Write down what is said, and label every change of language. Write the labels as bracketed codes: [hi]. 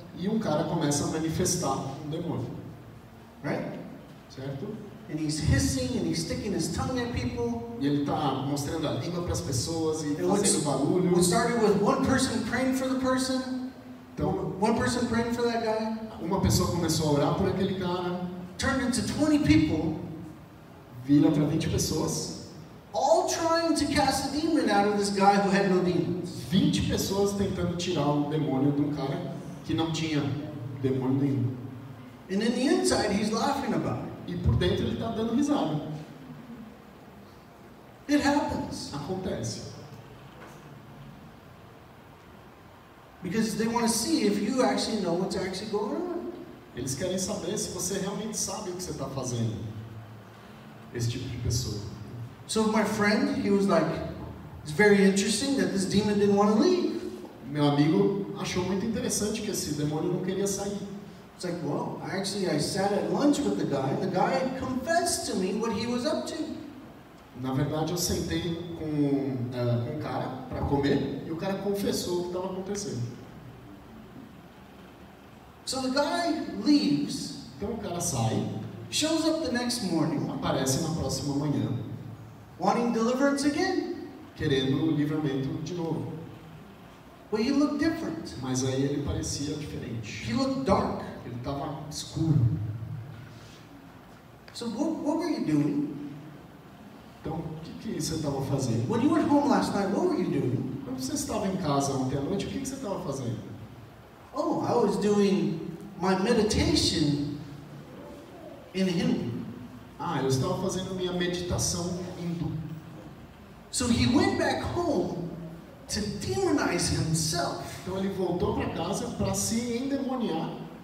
[pt] E cara começa a manifestar um demônio. [en] Right? [pt] Certo? [en] And he's hissing and he's sticking his tongue at people. [pt] E ele tá mostrando a língua para as pessoas e fazendo barulho. [en] It started with one person praying for the person. [pt] Então, [en] one person praying for that guy. [pt] Uma pessoa começou a orar por aquele cara. [en] Turned into 20 people. [pt] Vira para 20 pessoas. [en] All trying to cast a demon out of this guy who had no demons. [pt] 20 pessoas tentando tirar o demônio de cara que não tinha demônio nenhum. [en] And in the inside, he's laughing about it. [pt] E por dentro ele está dando risada. [en] It happens. [pt] Acontece. [en] Because they want to see if you actually know what's actually going on. [pt] Eles querem saber se você realmente sabe o que você está fazendo. Esse tipo de pessoa. [en] So my friend, he was like, it's very interesting that this demon didn't want to leave. [pt] Meu amigo achou muito interessante que esse demônio não queria sair. [en] It's like, well, actually I sat at lunch with the guy, and the guy confessed to me what he was up to. [pt] Na verdade, eu sentei com um cara para comer, e o cara confessou o que estava acontecendo. [en] So the guy leaves. [pt] Então o cara sai. [en] Shows up the next morning. [pt] Aparece na próxima manhã. [en] Wanting deliverance again. [pt] Querendo o livramento de novo. [en] Well, he looked different. [pt] Mas aí ele parecia diferente. [en] He looked dark. [pt] Ele estava escuro. [en] So what were you doing? [pt] Então, que você estava fazendo? [en] When you were home last night, what were you doing? [pt] Quando você estava em casa ontem à noite, o que você estava fazendo? [en] Oh, I was doing my meditation in Hindu. [pt] Ah, eu estava fazendo minha meditação Hindu. [en] So he went back home to demonize himself. [pt] Então ele voltou para casa para se endemoniar.